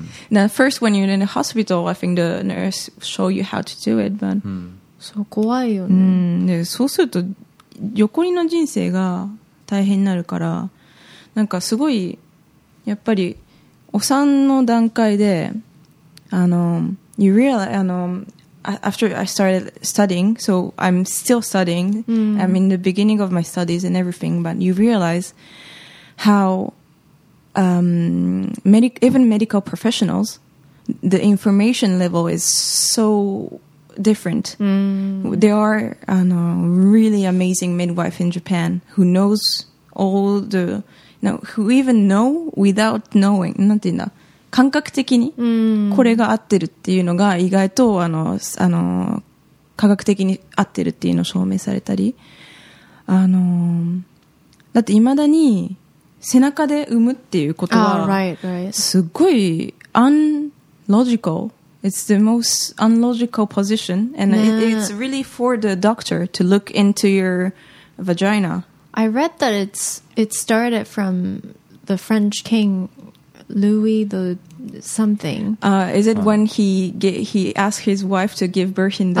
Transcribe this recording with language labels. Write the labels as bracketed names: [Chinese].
[English] Now first when you're in the hospital, I think the nurse show you how to do it, but. [Japanese] そう怖いよね。でそうすると横にの人生が大変になるから、なんかすごいやっぱり。お産の段階で、あの、 [English] you realize, [Japanese] あの、 [English] after I started studying, so I'm still studying. Mm. I'm in the beginning of my studies and everything, but you realize how even medical professionals, the information level is so different. Mm. There are really amazing midwife in Japan who knows all the, who even know without knowing. [Japanese] なんて言うんだ。感覚的にこれが合ってるっていうのが意外とあの科学的に合ってるっていうのを証明されたり、だって未だに背中で産むっていうことはすごい unlogical. [English] It's the most unlogical position, and it's really for the doctor to look into your vagina. I read that it started from the French king. Louis the something. Is it when he asked his wife to give birth in the...